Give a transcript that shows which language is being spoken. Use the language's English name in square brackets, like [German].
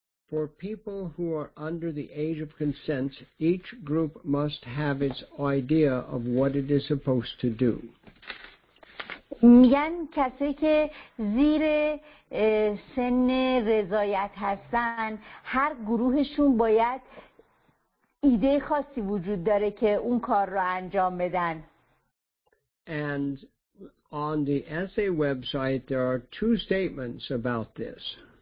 [English] For people who are under the age of consent, each group must have its idea of what it is supposed to do. [Persian] میگن کسی که زیر سن رضایت هستن هر گروهشون باید ایده خاصی وجود داره که اون کار رو انجام بدن. [English] And on the SA website there are two statements about this.